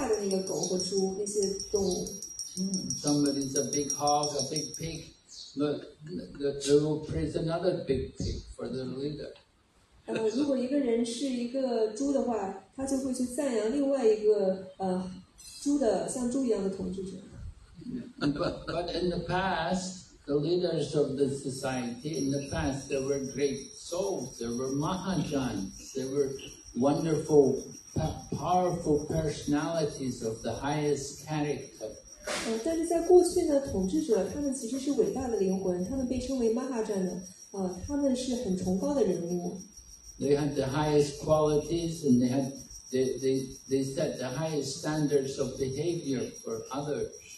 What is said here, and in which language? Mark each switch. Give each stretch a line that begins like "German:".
Chinese: 圣典菩萨瓦坛中讲到，如果一个人他自己本身就是像猪呀、狗呀，这些堕落的动物一样，他就会想要去追随最出名的、最大的那个狗和猪那些动物。
English: Somebody's a big hog, a big pig. Look, they will praise another big pig for their leader.
Chinese: 如果一个人是一个猪的话, 他就会去赞扬另外一个, 猪的,
English: but in the past, the leaders of the society, in the past, there were great souls, there were Mahajans, there were wonderful, powerful personalities of the highest character.
Chinese: 但是在过去呢, 统治者, 他们其实是伟大的灵魂, 他们被称为 Mahajana, 他们是很崇高的人物。
English: They had the highest qualities, and they had they set the highest standards of behavior for others.